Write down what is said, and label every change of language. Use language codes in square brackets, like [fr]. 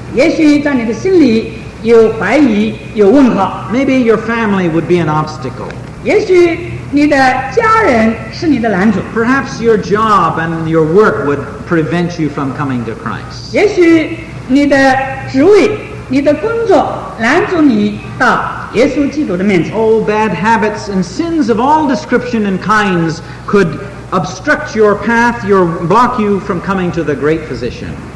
[zh] 也许在你的心里有怀疑, [en] Maybe your family would be an obstacle. [zh] 也许你的家人是你的拦阻。 [en] Perhaps your job and your work would prevent you from coming to Christ. [zh] 也许你的职位、你的工作拦阻你到耶稣基督的面前。 [en] Old bad habits and sins of all description and kinds could obstruct your path, your block you from coming to the great physician.